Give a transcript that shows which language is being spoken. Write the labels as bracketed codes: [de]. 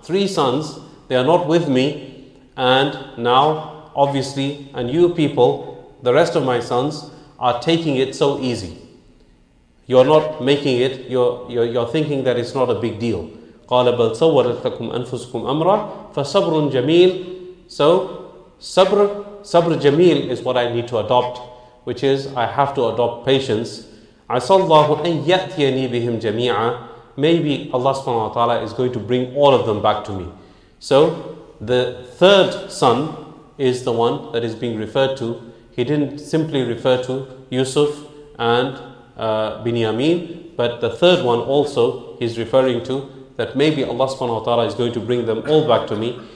[en] Three sons, they are not with me, and now, obviously, and you people, the rest of my sons, are taking it so easy. You're not making it, you're thinking that it's not a big deal. [ar] قَالَ بَلْ سَوَّلَتْ لَكُمْ أَنفُسُكُمْ أَمْرًا فَصَبْرٌ جَمِيلٌ. [en] So, sabr jameel is what I need to adopt, which is I have to adopt patience. [ar] عَسَى اللَّهُ أَن يَأْتِيَنِي بِهِمْ جَمِيعًا. [en] Maybe Allah subhanahu wa ta'ala is going to bring all of them back to me. So, the third son is the one that is being referred to. He didn't simply refer to Yusuf and Binyamin, but the third one also he's referring to, that maybe Allah subhanahu wa ta'ala is going to bring them all back to me.